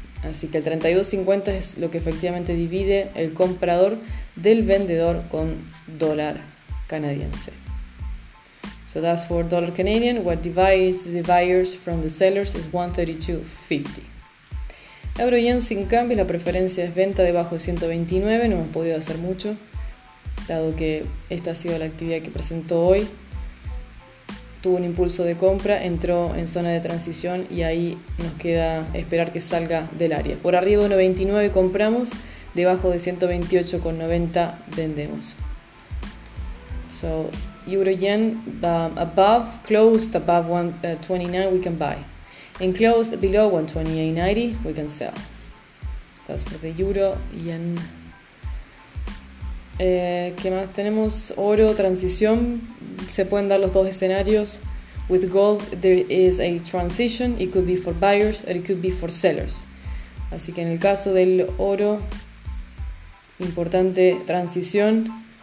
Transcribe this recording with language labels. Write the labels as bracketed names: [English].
[Spanish] Así que el 32.50 es lo que efectivamente divide el comprador del vendedor con dólar canadiense. [English] So that's for dollar Canadian. What divides the buyers from the sellers is 1.3250. [Spanish] Euro yen sin cambio, la preferencia es venta debajo de 129. No hemos podido hacer mucho, dado que esta ha sido la actividad que presentó hoy. Tuvo un impulso de compra, entró en zona de transición y ahí nos queda esperar que salga del área. Por arriba de 1.29 compramos, debajo de 128.90 vendemos. [English] So, euro yen above, closed above 129, we can buy. And closed below 128.90, we can sell. That's for the euro yen. [Spanish] ¿Qué más tenemos? Oro, transición. Se pueden dar los dos escenarios. [English] With gold, there is a transition. It could be for buyers, or it could be for sellers. [Spanish] Así que en el caso del oro, importante transición.